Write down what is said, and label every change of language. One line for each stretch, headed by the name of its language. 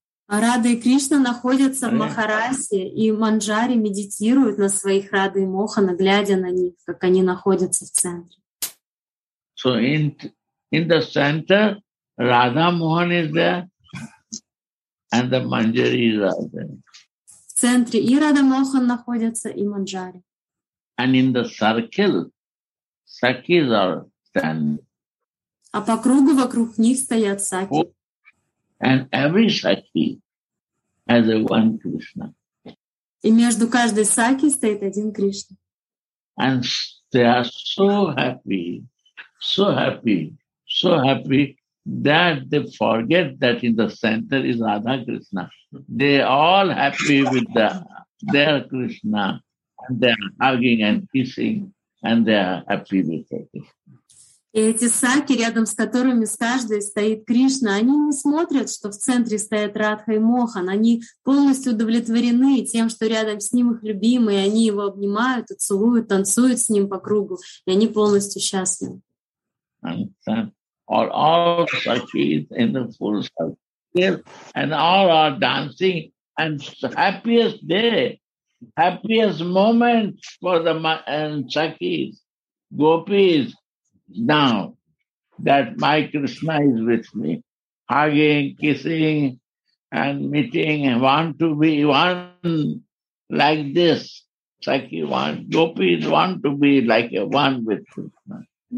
Russian: Рада и Кришна находятся в Махарасе, и Манджари медитируют на своих Рады и Мохана, глядя на них, как они находятся в центре.
English: So in the center, Radha Mohan is there, and the Manjari is there.
Russian: В центре и Рада Мохан находятся, и Манджари.
English: And in the circle, Sakis are standing.
Russian: А по кругу вокруг них стоят Саки.
English: And every Sakhi has a one Krishna.
Russian: И между каждой Сакхи стоит один Кришна.
English: And they are so happy, so happy, so happy that they forget that in the center is Radha Krishna. They are all happy with their Krishna. And they are hugging and kissing and they are happy with their Krishna.
Russian: И эти саки, рядом с которыми с каждой стоит Кришна, они не смотрят, что в центре стоят Радха и Мохан. Они полностью удовлетворены тем, что рядом с ним их любимый, и они его обнимают, и целуют, танцуют с ним по кругу, и они полностью счастливы.
English: Or all sakis in the full circle, and all are dancing, and happiest day, happiest moment for the sakis, gopis, now that my Krishna is with me, hugging, kissing, and meeting, and want to be one like this, sakhi one, gopis want to be like a one with Krishna.